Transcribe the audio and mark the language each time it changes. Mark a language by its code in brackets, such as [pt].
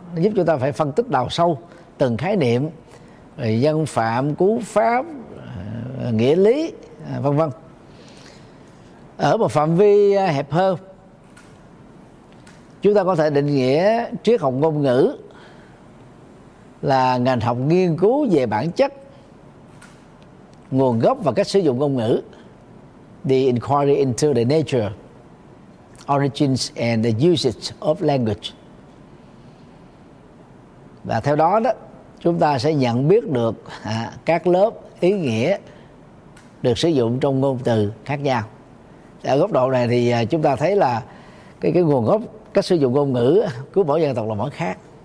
[vi] Nó giúp chúng ta phải phân tích đào sâu từng khái niệm, rồi dân phạm, cú pháp, nghĩa lý, vân vân. Ở một phạm vi hẹp hơn, chúng ta có thể định nghĩa triết học ngôn ngữ là ngành học nghiên cứu về bản chất, nguồn gốc và cách sử dụng ngôn ngữ. [en] The inquiry into the nature, origins and the usage of language. [vi] Và theo đó, chúng ta sẽ nhận biết được các lớp ý nghĩa được sử dụng trong ngôn từ khác nhau. Ở góc độ này thì chúng ta thấy là cái nguồn gốc cách sử dụng ngôn ngữ của mỗi dân tộc là mỗi khác.